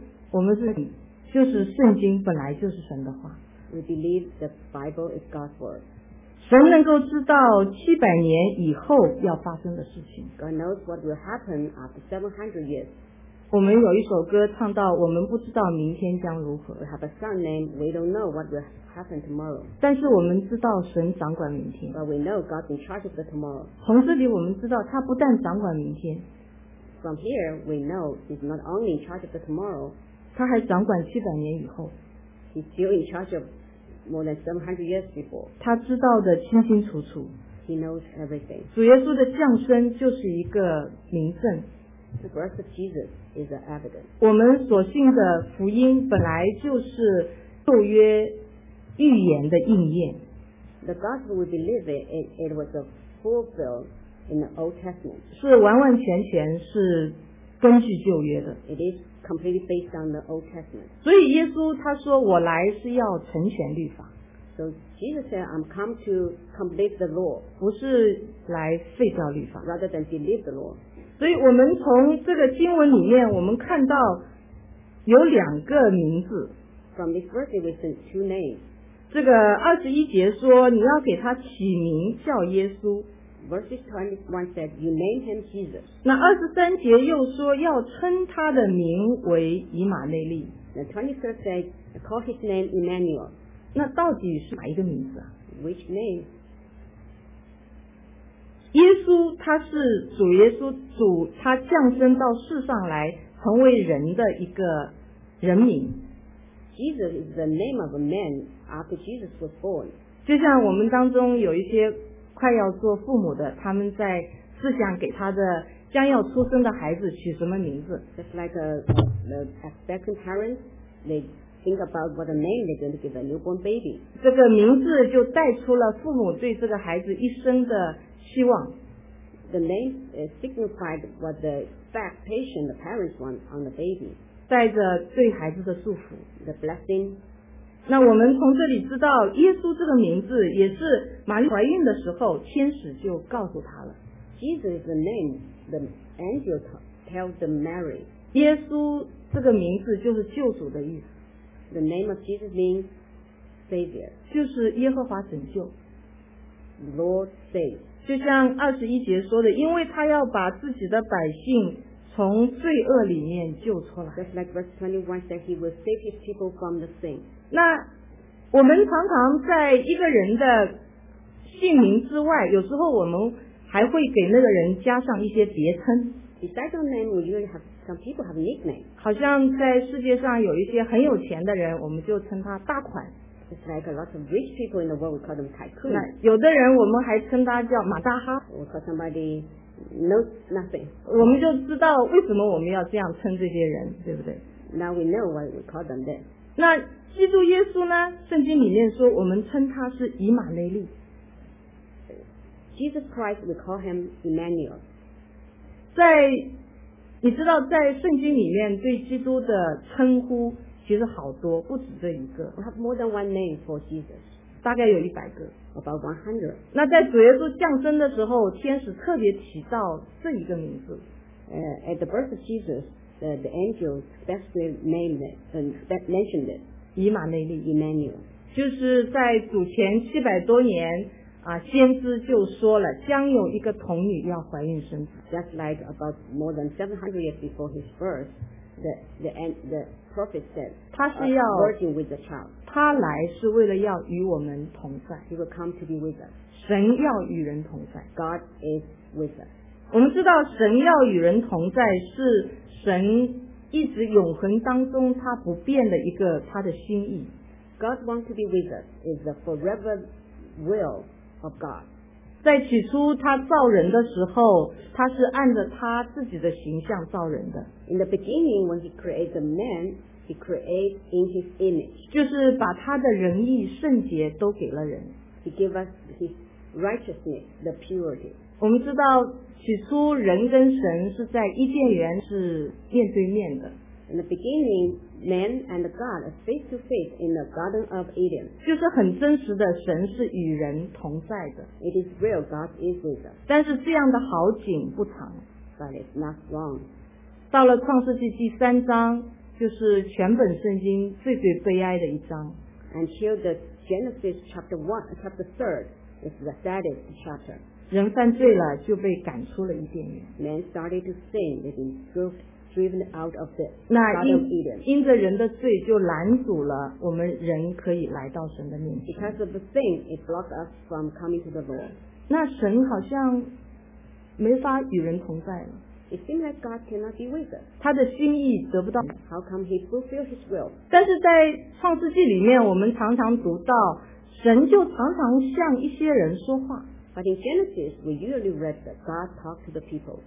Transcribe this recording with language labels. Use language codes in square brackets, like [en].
[zh] 我们是就是圣经本来就是神的话。 [en] We believe the Bible is God's word. [zh] 神能够知道700年以后要发生的事情。 [en] God knows what will happen after 700 years. [zh] 我们有一首歌唱到，我们不知道明天将如何。 [en] We have a song named We Don't Know What Will Happen Tomorrow. [zh] 但是我们知道神掌管明天。 [en] But we know God's in charge of the tomorrow. [zh] 从这里我们知道他不但掌管明天。 [en] From here we know He's not only in charge of the tomorrow. [zh] 他还掌管七百年以后。 [en] He's still in charge of. More than 700 years before. [zh] 他知道的清清楚楚。 [en] He knows everything. [zh] 主耶稣的降生就是一个明证。 [en] The birth of Jesus is an evidence. [zh] 我们所信的福音本来就是旧约预言的应验。 [en] The gospel we believe it was a fulfilled in the Old Testament. [zh] 是完完全全是根据旧约的。 [en] It is. Completely based on the Old Testament. [zh] 所以耶稣他说我来是要成全律法。 [en] So Jesus said, I'm come to complete the law. [zh] 不是来废掉律法。 [en] Rather than delete the law. [zh] 所以我们从这个经文里面我们看到有两个名字。 [en] From this verse we see two names. [zh] 这个二十一节说你要给他起名叫耶稣。 [en] Verse 21 said, "You name him Jesus." [zh] 那二十三节又说要称他的名为以马内利。 [en] The 23rd said, "Call his name Emmanuel." [zh] 那到底是哪一个名字啊 [en] ？Which name? [zh] 耶稣他是主耶稣主，他降生到世上来成为人的一个人名。 [en] Jesus is the name of a man after Jesus was born. [zh] 就像我们当中有一些。快要做父母的他们在思想给他的将要出生的孩子取什么名字 [en] just like a second parent they think about what a name they're going to give a newborn baby [zh] 这个名字就带出了父母对这个孩子一生的希望 [en] the name signified what the expectation the parents want on the baby [zh] 带着对孩子的祝福 [en] the blessing [zh] 那我们从这里知道耶稣这个名字也是玛丽怀孕的时候天使就告诉她了 [en] Jesus is the name the angel tells Mary [zh] 耶稣这个名字就是救主的意思 [en] The name of Jesus means Savior [zh] 就是耶和华拯救 [en] Lord save [zh] 就像二十一节说的因为他要把自己的百姓从罪恶里面救出来 [en] Just like verse 21 said he will save his people from the sin [zh] 那我们常常在一个人的姓名之外有时候我们还会给那个人加上一些别称 [en] Besides your name, we usually have some people have a nickname [zh] 好像在世界上有一些很有钱的人我们就称他大款 [en] Just like a lot of rich people in the world, we call them tycoon [zh] 有的人我们还称他叫马大哈 [en] We call somebody knows nothing. [zh] 我们就知道为什么我们要这样称这些人，对不对？ [en] Now we know why we call them that. [zh] 那基督耶稣呢？圣经里面说，我们称他是以马内利。 [en] Jesus Christ, we call him Emmanuel. [zh] 在你知道，在圣经里面对基督的称呼其实好多，不止这一个。 [en] We have more than one name for Jesus. [zh] 大概有100个。 [en] About 100. [zh] 那在主耶稣降生的时候，天使特别提到这一个名字。 [en] At the birth of Jesus, the angel specially named it and mentioned it. [zh] 以马内利 [en] Emmanuel. [zh] 就是在主前700多年。啊、先知就说了将有一个童女要怀孕生子。 [en] Just like about more than 700 years before his birth, the prophet said, [zh] 他是要 [en] working with the child. [zh] 他来是为了要与我们同在。 [en] He will come to be with us. [zh] 神要与人同在。 [en] God is with us. [zh] 我们知道神要与人同在是神一直永恒当中他不变的一个他的心意。 [en] God wants to be with us is the forever will. Of God. [zh] 在起初他造人的时候他是按着他自己的形象造人的。 [en] In the beginning when he created the man he created in his image [zh] 就是把他的仁义圣洁都给了人。 [en] He gave us his righteousness the purity [zh] 我们知道起初人跟神是在伊甸园是面对面的。 [en] In the beginning, man and God are face to face in the Garden of Eden. [zh] 就是很真实的，神是与人同在的。 [en] It is real, God is with us. [zh] 但是这样的好景不长。 [en] But it's not long. [zh] 到了创世纪第三章，就是全本圣经最最悲哀的一章。 [en] Until the Genesis chapter 1, chapter 3, is the saddest chapter. [zh] 人犯罪了，就被赶出了伊甸园。 [en] Man started to sin, they've been proved. Driven out of the Garden of Eden. [zh] 那因着人的罪就拦阻了我们人可以来到神的面前。 [en] Because of the sin, it blocked us from coming to the Lord. [zh] 那神好像没法与人同在了。 [en] It seems like God cannot be with us. [zh] 他的心意得不到。 [en] How come he fulfilled his will? [zh] 但是在创世纪里面，我们常常读到神就常常向一些人说话。 [en] But in Genesis, we usually read that God talked to the people.